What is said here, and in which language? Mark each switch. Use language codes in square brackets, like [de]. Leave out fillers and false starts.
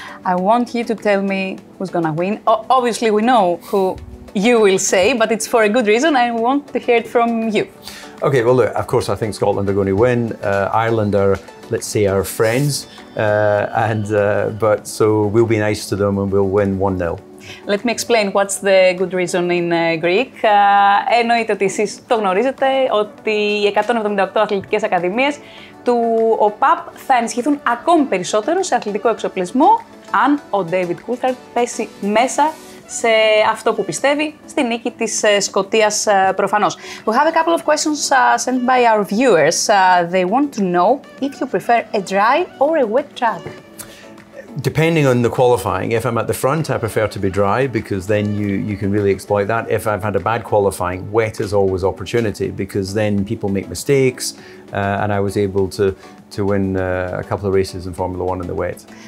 [en] I want you to tell me who's going to win. Obviously, we know who you will say, but it's for a good reason. I want to hear it from you. Okay, well, look, of course, I think Scotland are going to win. Ireland are, let's say, our friends. So we'll be nice to them and we'll win 1-0. Let me explain what's the good reason in Greek. [el] Εννοείται ότι εσείς το γνωρίζετε ότι οι 178 αθλητικές ακαδημίες του ΟΠΑΠ θα ενισχυθούν ακόμη περισσότερο σε αθλητικό εξοπλισμό αν ο Ντέιβιντ Κούλθαρντ πέσει μέσα σε αυτό που πιστεύει, στη νίκη της Σκωτίας προφανώς. [en] We have a couple of questions sent by our viewers. They want to know if you prefer a dry or a wet track. Depending on the qualifying, if I'm at the front, I prefer to be dry because then you can really exploit that. If I've had a bad qualifying, wet is always opportunity because then people make mistakes and I was able to win a couple of races in Formula One in the wet.